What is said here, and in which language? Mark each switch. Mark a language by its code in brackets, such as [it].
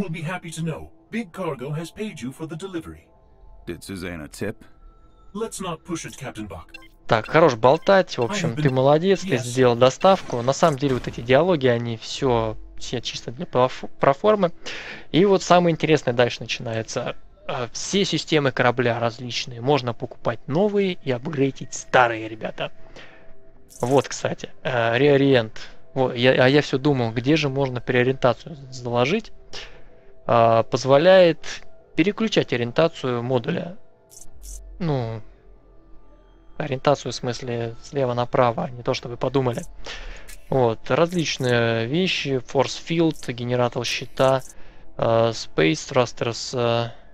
[en] You will be happy to know. Big Cargo has paid you for the delivery. Did Susanna tip? Let's not push it, Captain Bach. [ru] Так, хорош болтать. В общем, ты молодец, ты сделал доставку. На самом деле, вот эти диалоги, они все чисто для проформы. И вот самое интересное дальше начинается. Все системы корабля различные. Можно покупать новые и апгрейдить старые, ребята. Вот, кстати, реориент. Я все думал, где же можно переориентацию заложить. Позволяет переключать ориентацию модуля. Ну, ориентацию в смысле слева направо, не то чтобы подумали. Вот, различные вещи. Force Field, генератор щита, Space Thrusters.